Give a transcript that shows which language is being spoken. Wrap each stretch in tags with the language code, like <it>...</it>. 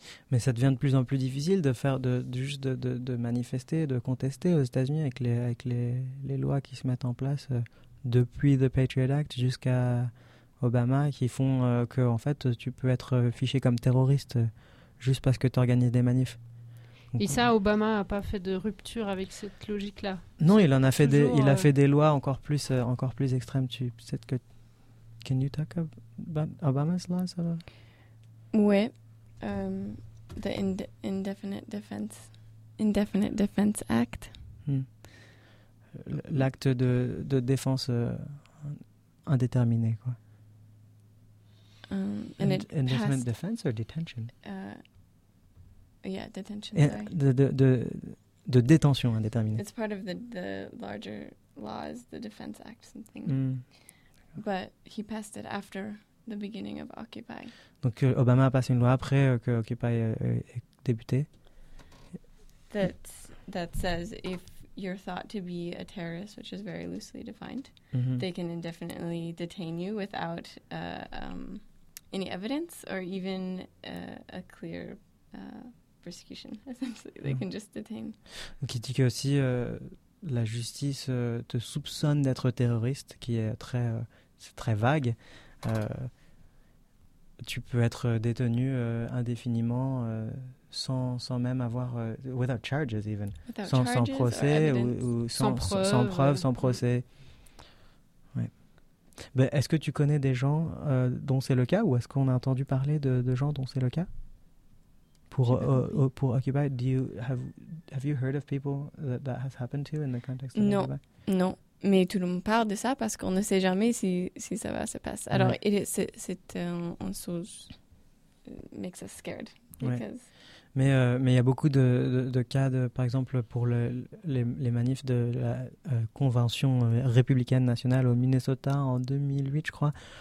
<fr>Mais ça devient de plus en plus difficile de faire de manifester, de contester aux États-Unis avec les lois qui se mettent en place depuis The Patriot Act jusqu'à Obama, qui font que en fait tu peux être fiché comme terroriste juste parce que tu organises des manifs. Et ça, Obama a pas fait de rupture avec cette logique-là. Non, il en a fait toujours, il a fait des lois encore plus extrêmes. Tu sais que</fr> <en>can you talk about Obama's laws? Ouais. The Indefinite Defense Act.</en> <fr>L'acte de défense indéterminé, quoi.</fr> <en>Indefinite defense or detention? Detention. De</en> <fr>détention indéterminée.</fr> <en>It's part of the larger laws, the Defense Act, something. Mm. But he passed it after the beginning of Occupy.</en> <fr>Donc Obama a passé une loi après que Occupy ait débuté.</fr> <en>That says if you're thought to be a terrorist, which is very loosely defined, mm-hmm. they can indefinitely detain you without any evidence or even a clear persecution. Essentially, they can just detain.</en> <fr>Donc il dit que aussi la justice te soupçonne d'être terroriste, qui est très vague. Tu peux être détenu indéfiniment sans même avoir</fr> <en>without charges even</en> <fr>without sans, charges sans procès ou sans preuve, sans procès. Ouais. Ben, est-ce que tu connais des gens dont c'est le cas, ou est-ce qu'on a entendu parler de gens dont c'est le cas pour Occupy?</fr> <en>Have you heard of people that has happened to in the context of</en> <fr>non.</fr> <en>Occupy?</en> <fr>Non. Mais tout le monde parle de ça parce qu'on ne sait jamais si ça va se passer. Alors, ouais. C'est un chose qui</fr> <en>makes us scared.</en> <fr>Ouais. Mais il y a beaucoup de cas, par exemple, pour les manifs de la Convention républicaine nationale au Minnesota en 2008, je crois.</fr>